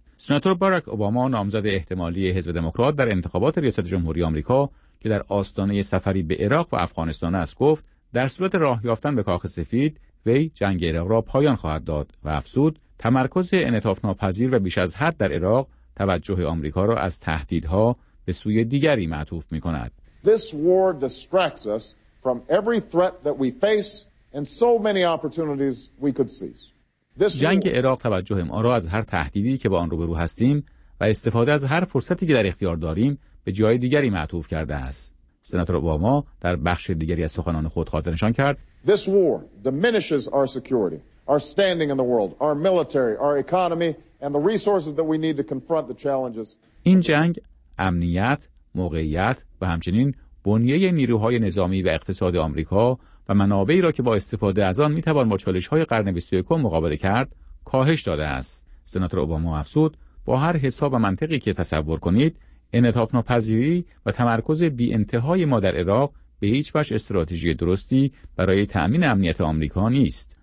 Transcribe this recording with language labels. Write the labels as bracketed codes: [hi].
[fa] سناتور باراک اوباما نامزد احتمالی حزب دموکرات در انتخابات ریاست جمهوری آمریکا که در آستانه سفری به عراق و افغانستان است گفت در صورت راه یافتن به کاخ سفید وی جنگ عراق را پایان خواهد داد و افزود تمرکز انعطاف‌ناپذیر و بیش از حد در عراق توجه آمریکا را از تهدیدها به سوی دیگری معطوف می‌کند. [en] This war distracts us from every threat that we face and so many opportunities we could seize. [fa] جنگ عراق توجه ما را از هر تهدیدی که با آن روبرو هستیم و استفاده از هر فرصتی که در اختیار داریم به جای دیگری معطوف کرده است. سناتور اوباما در بخش دیگری از سخنان خود خاطر نشان کرد [en] This war diminishes our security, our standing in the world, our military, our economy and the resources that we need to confront the challenges. [fa] این جنگ امنیت، موقعیت و همچنین بنیه نیروهای نظامی و اقتصاد آمریکا و منابعی را که با استفاده از آن میتوان با چالش‌های قرن 21 مقابله کرد، کاهش داده است. سناتور اوباما افزود با هر حساب و منطقی که تصور کنید، انعطاف‌ناپذیری و تمرکز بی انتهای ما در عراق به هیچ وجه استراتژی درستی برای تأمین امنیت آمریکا نیست.